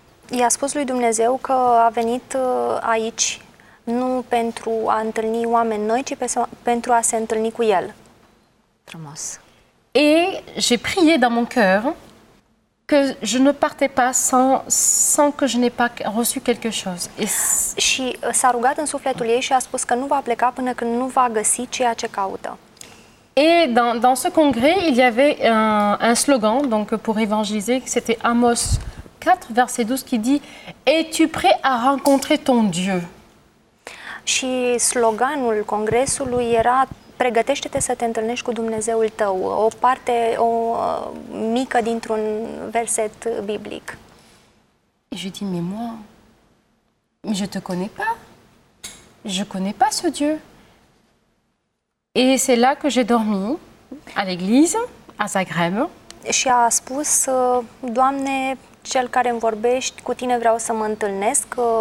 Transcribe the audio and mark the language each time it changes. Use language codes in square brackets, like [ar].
[ro] I-a spus lui Dumnezeu că a venit aici nu pentru a întâlni oameni noi, ci pentru a se întâlni cu el. Frumos. [fr] Et j'ai prié dans mon cœur que je ne partais pas sans que je n'ai pas reçu quelque chose. [ro] Și s-a rugat în sufletul ei și a spus că nu va pleca până când nu va găsi ceea ce caută. [fr] Et dans ce congrès, il y avait un slogan donc pour évangéliser, c'était Amos 4 verset 12 qui dit "Es-tu prêt à rencontrer ton Dieu?" [ro] Și sloganul congresului era "Pregătește-te să te întâlnești cu Dumnezeul tău", o parte o mică dintr-un verset biblic. [fr] Et je dis "Mais moi, je te connais pas. Je connais pas ce Dieu." Et c'est là que j'ai dormi à l'église à Zagreb. [ro] Și a spus "Doamne, cel care îmi vorbești, cu tine vreau să mă întâlnesc."